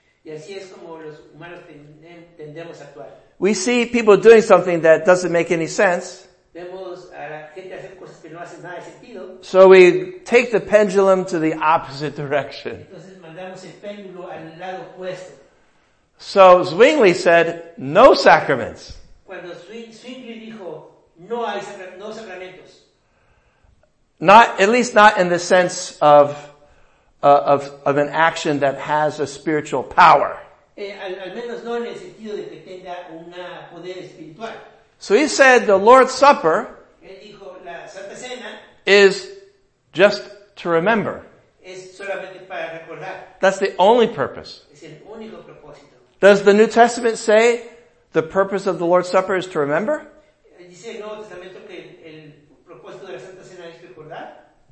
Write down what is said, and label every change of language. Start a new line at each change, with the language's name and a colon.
Spanish: Y así es como los humanos tendemos a actuar.
English: We see people doing something that doesn't make any sense.
Spanish: Vemos a la gente hacer cosas que no hacen nada de sentido.
English: So we take the pendulum to the opposite direction.
Spanish: Entonces mandamos el péndulo al lado opuesto.
English: So Zwingli said, no sacraments.
Spanish: Cuando Zwingli dijo, no hay sacramentos.
English: Not, at least not in the sense of an action that has a spiritual power.
Spanish: Al menos no en el sentido de que tenga un poder espiritual.
English: So he said the Lord's Supper
Spanish: dijo, la Santa Cena
English: is just to remember.
Spanish: Es solamente para recordar.
English: That's the only purpose.
Spanish: Es el único propósito.
English: Does the New Testament say the purpose of the Lord's Supper is to remember?
Spanish: Dice el Nuevo Testamento que el propósito de la Santa Cena es recordar.